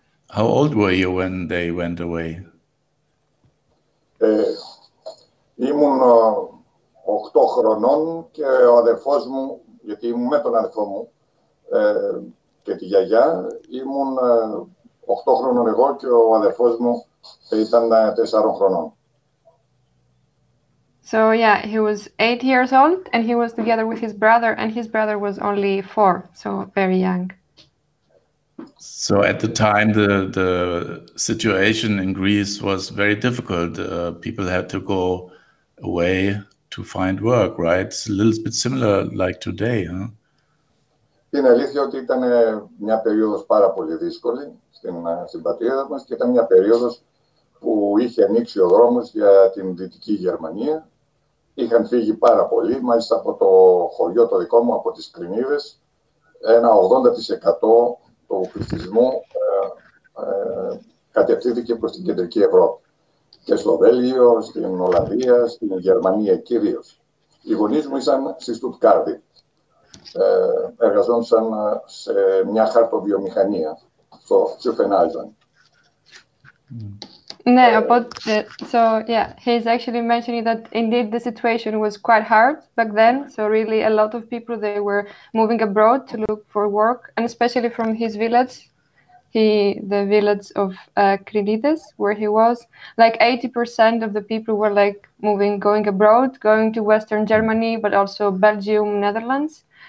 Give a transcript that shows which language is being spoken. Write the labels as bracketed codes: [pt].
[en] How old were you when they went away? [el] Ήμουν 8 χρονών και ο αδερφός μου, γιατί ήμουν με τον αδερφό μου και τη γιαγιά, ήμουν 8 χρονών εγώ και ο αδερφός μου ήταν 4 χρονών. [en] So yeah, he was 8 years old and he was together with his brother and his brother was only 4, so very young. So at the time, the situation in Greece was very difficult. People had to go away to find work, right? It's a little bit similar like today, huh? [el] Είναι αλήθεια ότι ήταν μια περίοδος πάρα πολύ δύσκολη στην πατρίδα μας και ήταν μια περίοδος που είχε ανοίξει ο δρόμος για την Δυτική Γερμανία. Είχαν φύγει πάρα πολύ, μάλιστα από το χωριό το δικό μου, από τις Κρινίδες, ένα 80% του πληθυσμού κατευθύνθηκε προς την κεντρική Ευρώπη. Και στο Βέλγιο, στην Ολλανδία, στην Γερμανία κυρίως. Οι γονείς μου ήσαν στη Στουτκάρδη. Εργαζόντουσαν σε μια χαρτοβιομηχανία, στο Τσουφενάζον. Ναι, οπότε, [en] so yeah, he's actually mentioning that indeed the situation was quite hard back then. So really a lot of people, they were moving abroad to look for work, and especially from his village, the village of Krinides, where he was, like 80% of the people were like going abroad, going to Western Germany, but also Belgium, Netherlands.